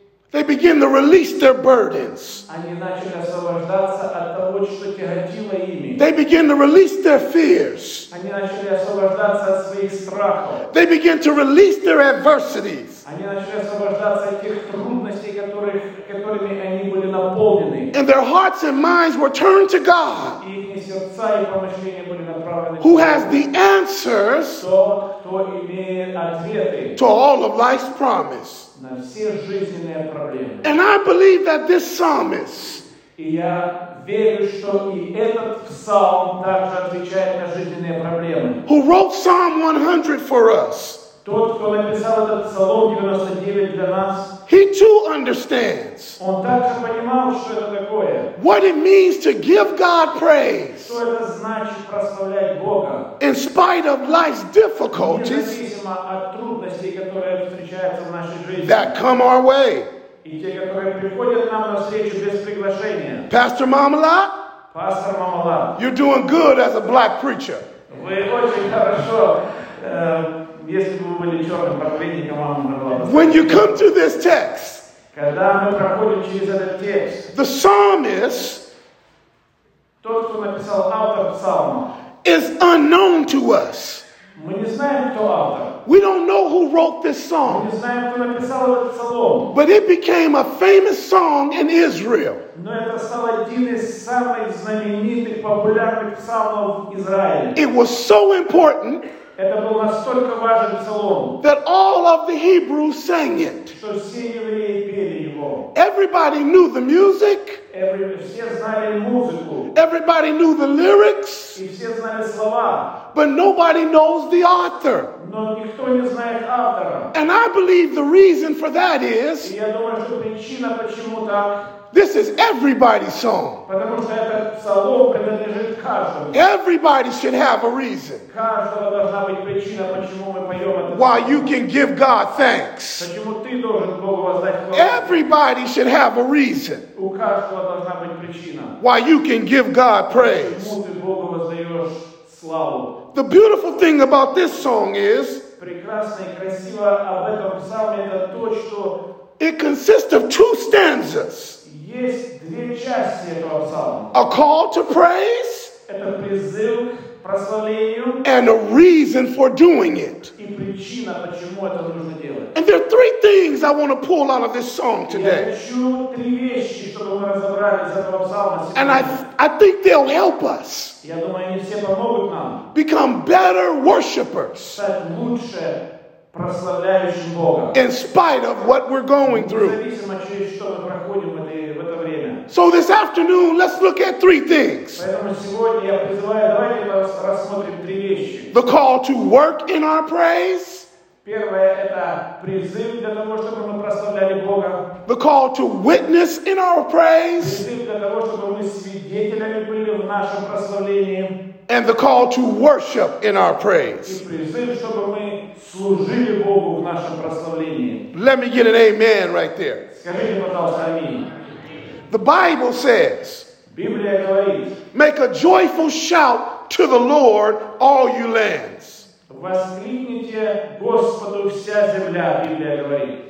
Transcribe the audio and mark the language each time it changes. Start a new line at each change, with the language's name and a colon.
English: They begin to release their burdens.
Russian: Они начали освобождаться от того, что тяготило ими.
English: They begin to release their fears.
Russian: Они начали освобождаться от своих страхов.
English: They begin to release their adversities.
Russian: Они начали освобождаться от тех трудностей, которыми они были наполнены.
English: And their hearts and minds were turned to God.
Russian: И их сердца и помышления были направлены к Богу.
English: Who has the answers?
Russian: Кто имеет ответы?
English: To all of life's promise.
Russian: На все жизненные проблемы.
English: And I believe that this psalmist.
Russian: И я верю, что и этот псалм также отвечает на жизненные проблемы.
English: Who wrote Psalm 100 for us?
Russian: Тот, кто написал этот псалом 99 для нас.
English: He too understands.
Russian: Он также понимал, что это такое.
English: What it means to give God praise.
Russian: Что это значит прославлять Бога.
English: In spite of life's difficulties.
Russian: Независимо от трудностей, которые встречаются в нашей жизни.
English: That come our way.
Russian: И те, которые приходят нам на встречу без приглашения.
English: Pastor Marmalat. Pastor Marmalat. You're doing good as a black preacher.
Russian: Вы очень хорошо. Если бы вы были черным проповедником, вам бы было бы.
English: When you come to this text,
Russian: когда мы проходим через этот текст,
English: the psalmist,
Russian: тот, кто написал автор псалма,
English: is unknown to us.
Russian: Мы не знаем, кто автор.
English: We don't know who wrote this song.
Russian: Мы не знаем, кто написал этот псалом.
English: But it became a famous song in Israel.
Russian: Но это стал один из самых знаменитых, популярных псалмов в Израиле.
English: It was so important.
Russian: Это был настолько важен псалом.
English: That all of the Hebrews sang it.
Russian: Что все евреи пели его.
English: Everybody knew the music.
Russian: Все знали музыку.
English: Everybody knew the lyrics.
Russian: И все знали слова.
English: But nobody knows the author.
Russian: Но никто не знает автора.
English: And I believe the reason for that is.
Russian: Я думаю, что причина, почему так.
English: This is everybody's song.
Russian: Потому что этот псалом принадлежит каждому.
English: Everybody should have a reason.
Russian: Каждого должна быть причина, почему мы поем этот псалом.
English: Why you can give God thanks.
Russian: Почему ты должен Богу воздать хвалу.
English: Everybody should have a reason.
Russian: У каждого должна быть причина.
English: Why you can give God praise.
Russian: Почему ты Богу воздаешь славу.
English: The beautiful thing about this song is.
Russian: Прекрасно и красиво об этом псалме это то, что.
English: It consists of two stanzas.
Russian: Есть две части этого псалма.
English: A call to praise.
Russian: Это призыв к прославлению.
English: And a reason for doing it.
Russian: И причина, почему это нужно делать.
English: And there are three things I want to pull out of this song today.
Russian: Я хочу три вещи, чтобы мы разобрали из этого псалма сегодня.
English: And I think they'll help us.
Russian: Я думаю, они все помогут нам.
English: Become better worshipers.
Russian: Стать лучше прославляющим Бога.
English: In spite of what we're going through.
Russian: Независимо через что мы проходим.
English: So this afternoon, let's look at three things.
Russian: Поэтому сегодня я призываю, давайте рассмотрим три вещи.
English: The call to work in our praise.
Russian: Первое – это призыв для того, чтобы мы прославляли Бога.
English: The call to witness in our praise.
Russian: Призыв для того, чтобы мы свидетелями были в нашем прославлении.
English: And the call to worship in our praise.
Russian: И призыв, чтобы мы служили Богу в нашем прославлении.
English: Let me get an amen right there.
Russian: Скажите, пожалуйста, аминь.
English: The Bible says,
Russian: Библия говорит,
English: make a joyful shout to the Lord, all you lands.
Russian: Воскликните Господу вся земля, Библия говорит.